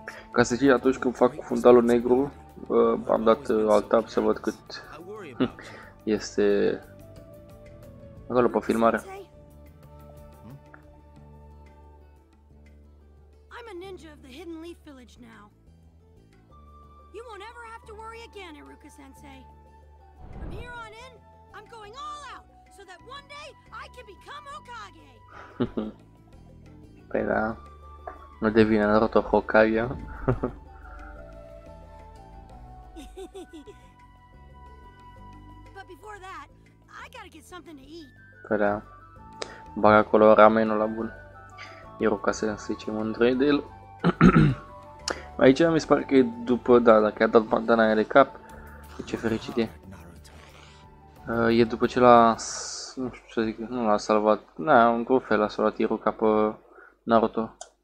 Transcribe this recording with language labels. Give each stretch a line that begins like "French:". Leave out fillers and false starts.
Romanian: Ca să știi, atunci când fac fundalul negru, am dat alt tab să văd cât este acolo pe filmare.
English: I'm a ninja of the Hidden Leaf Village now. You won't ever have to worry again, Iruka-sensei. From here on in, I'm going all out. So that one day I can become Hokage.
Romanian: Păi da, nu devine Naruto Hokage.
English: But before that, I gotta get something to eat.
Romanian: Păi da, bag acolo ramenul la bun. Iruka se zice mândră de el. Aici mi se pare că e după, da, dacă a dat bandana aia de cap. Ce fericit e. E după ce la... nu știu ce să zic, nu l-a salvat, n-a, într-un fel l-a salvat Iruka pe Naruto.